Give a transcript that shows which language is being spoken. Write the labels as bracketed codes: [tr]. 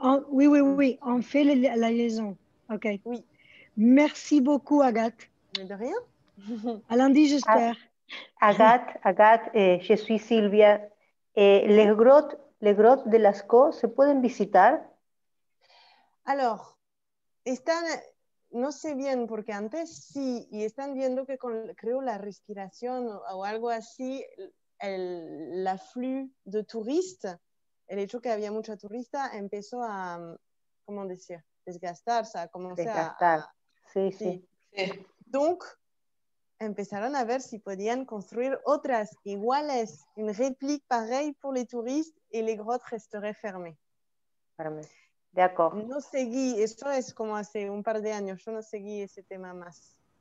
[fr] Oui, on fait la liaison. OK. Oui. Merci beaucoup, Agathe. Mais de rien. À lundi, j'espère. Agathe, je suis Sylvia. Les grottes de Lascaux se peuvent visiter? [es] Alors, están, no sé bien, porque antes sí, y están viendo que con, creo la respiración o algo así, [fr] l'afflux de touristes, [es] el hecho que había mucha turista, empezó a, comment decir, desgastarse, a comenzar a... Desgastar, sí. [fr] Donc, [es] empezaron a ver si podían construir otras iguales, [fr] une réplique pareille pour les touristes et les grottes resteraient fermées. D'accord. [es] No seguí, eso es como hace un par de años, yo no seguí ese tema más.